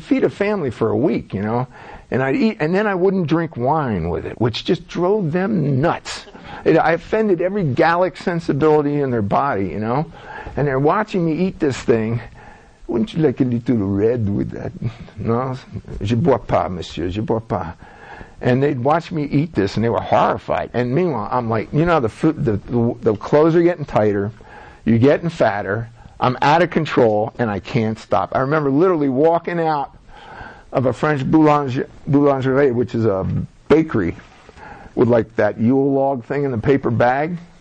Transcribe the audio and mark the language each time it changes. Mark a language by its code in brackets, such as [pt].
[en] It would feed a family for a week, you know. And I'd eat, and then I wouldn't drink wine with it, which just drove them nuts. I offended every Gallic sensibility in their body, you know. And they're watching me eat this thing. Wouldn't you like a little red with that? No? [fr] Je bois pas, monsieur, je bois pas. [en] And they'd watch me eat this, and they were horrified. And meanwhile, I'm like, you know, the clothes are getting tighter, you're getting fatter, I'm out of control, and I can't stop. I remember literally walking out of a French boulangerie, which is a bakery, with like that Yule log thing in the paper bag.